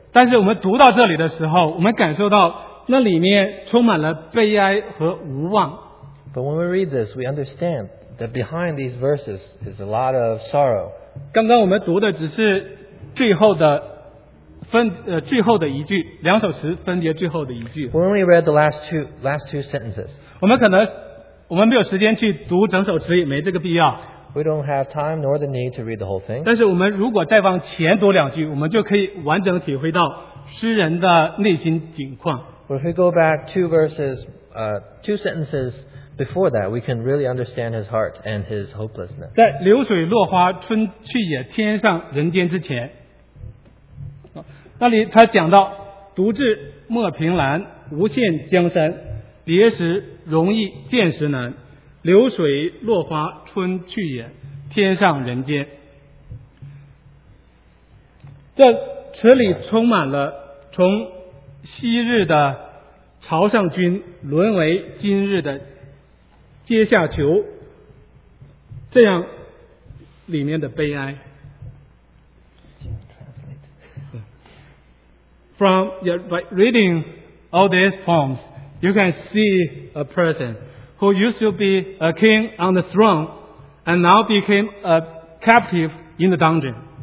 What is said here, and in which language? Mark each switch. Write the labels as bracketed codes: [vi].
[zh] 但是我们读到这里的时候，我们感受到那里面充满了悲哀和无望。 [en] But when we read this, we understand. That behind these verses is a lot of sorrow. [zh] 刚刚我们读的只是最后的一句，两首词分别最后的一句。 [en] We only read the last two sentences. [zh] 我们没有时间去读整首词，也没这个必要。 [en] We don't have time nor the need to read the whole thing. [zh] 但是我们如果再往前读两句，我们就可以完整体会到诗人的内心境况。 [en] But if we go back two verses, two sentences. Before that, we can really understand his heart and his hopelessness. [zh] 在流水落花春去也，天上人间之前，那里他讲到独自莫凭栏，无限江山，别时容易见时难。流水落花春去也，天上人间。这词里充满了从昔日的朝上君沦为今日的。阶下囚，这样里面的悲哀。 [en] From by reading all these poems, you can see a person who used to be a king on the throne, and now became a captive in the dungeon.